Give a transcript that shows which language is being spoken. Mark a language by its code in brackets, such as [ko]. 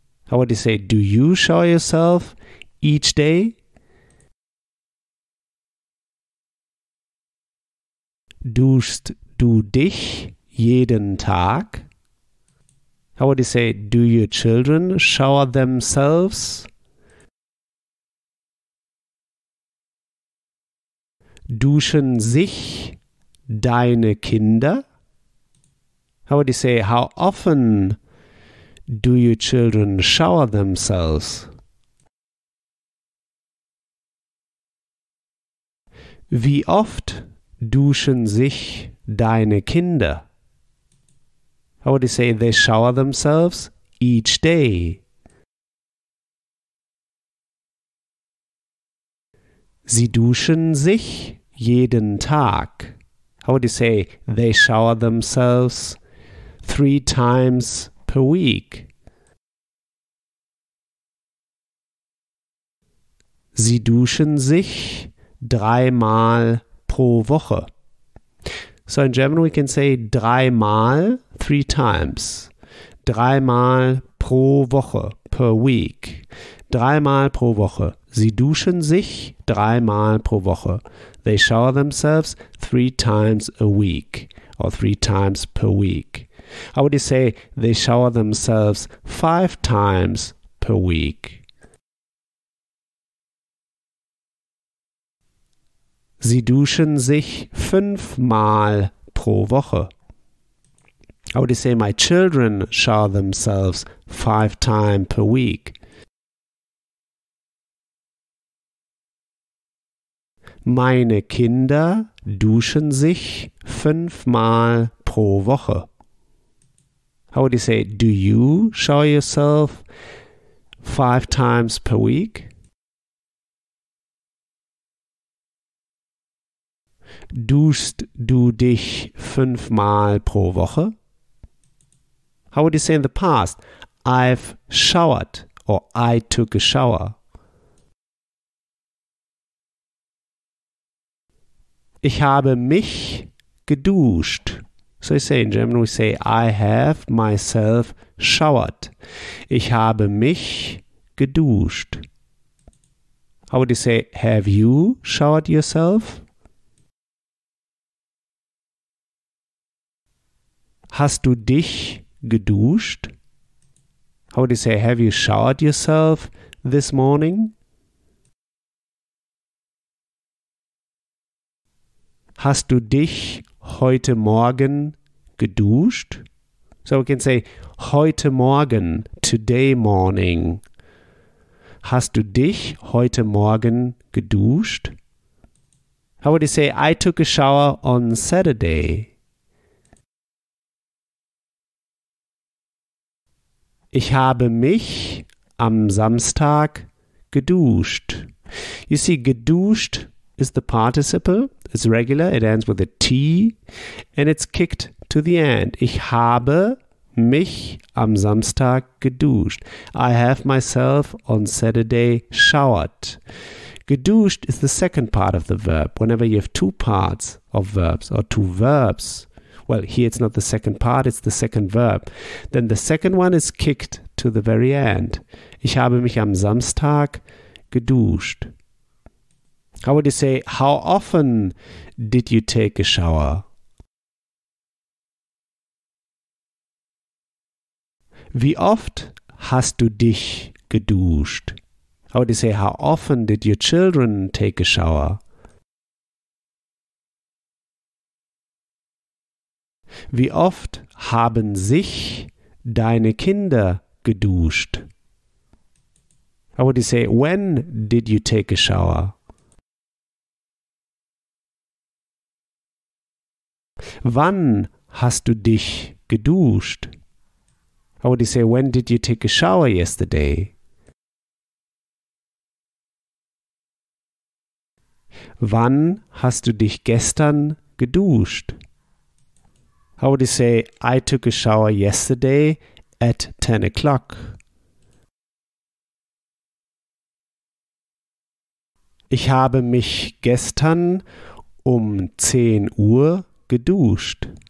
[en] How would you say, do you shower yourself each day? [de] Duschst du dich jeden Tag? [en] How would you say, do your children shower themselves? [de] Duschen sich deine Kinder? [en] How would you say, how often do your children shower themselves? [de] Wie oft duschen sich deine Kinder? [en] How would you say they shower themselves each day? [de] Sie duschen sich jeden Tag. [en] How would you say they shower themselves 3 times per week? [de] Sie duschen sich 3 Mal pro Woche. [en] So in German we can say 3 times. [de] 3 Mal pro Woche, [en] per week. [de] 3 Mal pro Woche. Sie duschen sich 3 Mal pro Woche. [en] They shower themselves 3 times a week or 3 times per week. How would you say they shower themselves 5 times per week? [de] Sie duschen sich fünfmal pro Woche. [en] How would you say my children shower themselves 5 times per week? [de] Meine Kinder duschen sich [en] 5 times [de] pro Woche. [en] How would you say, do you shower yourself 5 times per week? [de] Duschst du dich [en] 5 times [de] pro Woche? [en] How would you say in the past, I've showered or I took a shower? [de] Ich habe mich geduscht. [en] So you say in German, we say, I have myself showered. [de] Ich habe mich geduscht. [en] How would you say, have you showered yourself? [de] Hast du dich geduscht? [en] How would you say, have you showered yourself this morning? [de] Hast du dich heute Morgen geduscht? [en] So we can say, [de] heute Morgen, [en] today morning. [de] Hast du dich heute Morgen geduscht? [en] How would you say, I took a shower on Saturday? [de] Ich habe mich am Samstag geduscht. [en] You see, geduscht is the participle. It's regular, it ends with a T, and it's kicked to the end. [de] Ich habe mich am Samstag geduscht. [en] I have myself on Saturday showered. Geduscht is the second part of the verb. Whenever you have two parts of verbs or two verbs, well, here it's not the second part, it's the second verb. Then the second one is kicked to the very end. [de] Ich habe mich am Samstag geduscht. [en] How would you say, how often did you take a shower? [de] Wie oft hast du dich geduscht? [en] How would you say, how often did your children take a shower? [de] Wie oft haben sich deine Kinder geduscht? [en] How would you say, when did you take a shower? [de] Wann hast du dich geduscht? [en] How would you say, when did you take a shower yesterday? [de] Wann hast du dich gestern geduscht? [en] How would you say, I took a shower yesterday at 10 o'clock? [de] Ich habe mich gestern um 10 Uhr geduscht.